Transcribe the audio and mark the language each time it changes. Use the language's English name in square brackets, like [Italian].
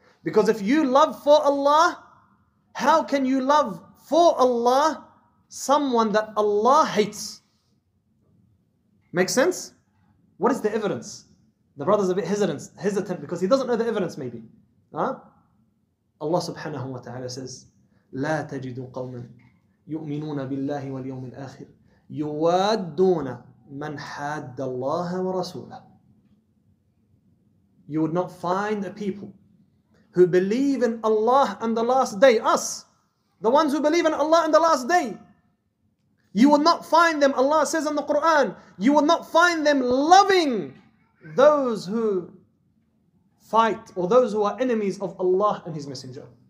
[English] Because if you love for Allah, how can you love for Allah someone that Allah hates? Make sense? What is the evidence? The brother's a bit hesitant because he doesn't know the evidence maybe. Huh? Allah subhanahu wa ta'ala says, [Arabic] لَا تَجِدُ قَوْمًا يُؤْمِنُونَ بِاللَّهِ وَالْيَوْمِ الْآخِرِ يُوَادُّونَ مَنْ حَادَّ اللَّهَ وَرَسُولَهُ. [English] You would not find a people who believe in Allah and the last day. Us, the ones who believe in Allah and the last day. You will not find them, Allah says in the Quran, you will not find them loving those who fight or those who are enemies of Allah and His Messenger.